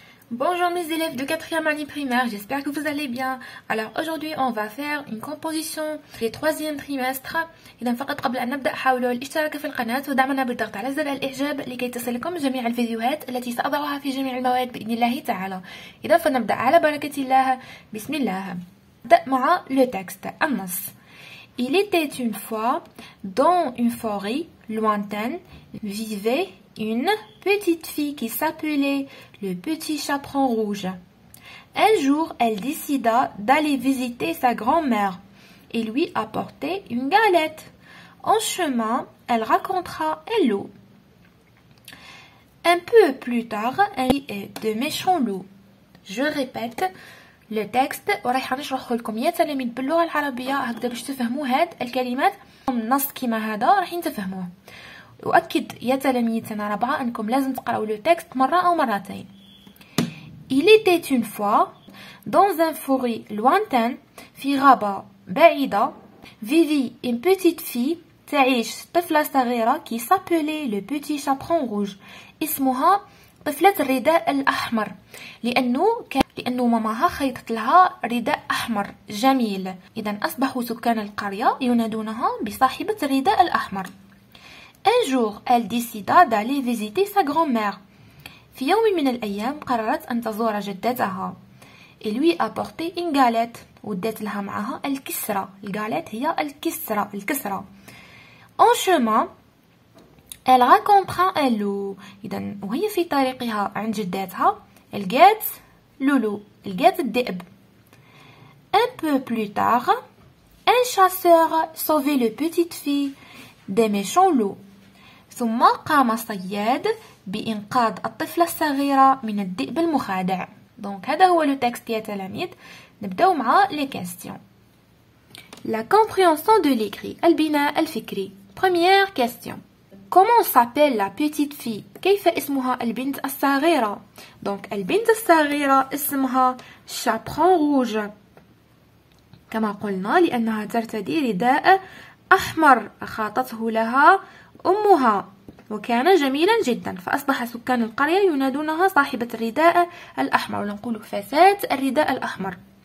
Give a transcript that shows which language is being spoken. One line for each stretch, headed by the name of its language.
French: Bonjour mes élèves de 4e année primaire, j'espère que vous allez bien. Alors aujourd'hui on va faire une composition des 3e trimestre. Et donc,
Arabic: فقط قبل أن نبدأ حاولوا الاشتراك في القناة ودعمنا بالضغط على زر الإعجاب لكي تصلكم جميع الفيديوهات التي سأضعها في جميع المواد بإذن الله تعالى. إذا فنبدأ على بركة الله. بسم الله. نبدأ مع le texte. النص.
French: Il était une fois dans une forêt lointaine vivait une petite fille qui s'appelait le petit chaperon rouge. Un jour, elle décida d'aller visiter sa grand-mère et lui apporter une galette. En chemin, elle rencontra un loup. Un peu plus tard, un loup et de méchants loups. Je répète le texte.
Arabic: وراح نشرح لكم يا تلاميذ باللغة العربية هكذا باش تفهموا هاد الكلمات. النص كيما هذا راح تفهموه. أؤكد يا تلاميذ سنة رابعة أنكم لازم تقرأوا لو تكست مرة أو مرتين.
French: Il était une fois dans un forêt lointain,
Arabic: في غابة بعيدة,
French: vivait une petite fille,
Arabic: تعيش طفلة صغيرة,
French: qui s'appelait le petit chaperon rouge,
Arabic: اسمها طفلة الرداء الأحمر, لأنه ماماها خيطت لها رداء أحمر جميل. إذا أصبحوا سكان القرية ينادونها بصاحبة الرداء الأحمر.
French: Un jour, elle décida d'aller visiter sa grand-mère.
Arabic: في يوم من الأيام قررت أن تزور جدتها.
French: Et lui apporter une galette.
Arabic: ودات لها معها الكسرة. الغالات هي الكسرة. الكسرة.
French: En chemin, elle rencontra un loup.
Arabic: إذن وهي في طريقها عند جدتها. لقات لولو. لقات الذئب.
French: Un peu plus tard, un chasseur sauvait la petite fille des méchants loups.
Arabic: ثم قام صياد بإنقاذ الطفلة الصغيرة من الذئب المخادع. دونك هذا هو لو تيكست يا تلاميذ. نبداو مع لي كاستيون.
French: La compréhension de l'écrit.
Arabic: البناء الفكري.
French: Première question. Comment s'appelle la petite fille?
Arabic: كيف اسمها البنت الصغيرة؟ دونك البنت الصغيرة اسمها شابرون روج. كما قلنا لأنها ترتدي رداء أحمر خاطته لها أمها وكان جميلا جدا فأصبح سكان القرية ينادونها صاحبة الرداء الأحمر ونقول فتاة الرداء الأحمر.